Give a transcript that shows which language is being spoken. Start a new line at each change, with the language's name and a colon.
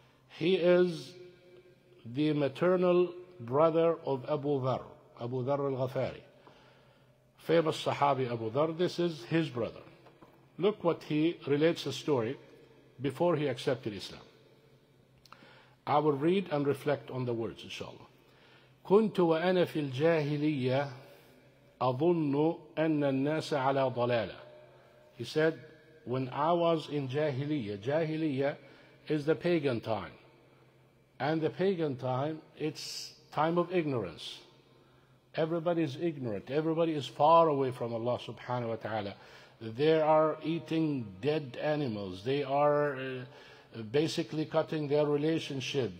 English: He is the maternal brother of Abu Dharr, Abu Dharr al-Ghafari. Famous Sahabi Abu Dharr, this is his brother. Look what he relates a story before he accepted Islam. I will read and reflect on the words, inshallah.
Arabic: كنت وأنا في الجاهلية أظن أن الناس على ضلالة.
English: He said, when I was in Jahiliyyah, Jahiliyyah is the pagan time. And the pagan time, it's time of ignorance. Everybody is ignorant. Everybody is far away from Allah subhanahu wa ta'ala. They are eating dead animals. They are basically cutting their relationship.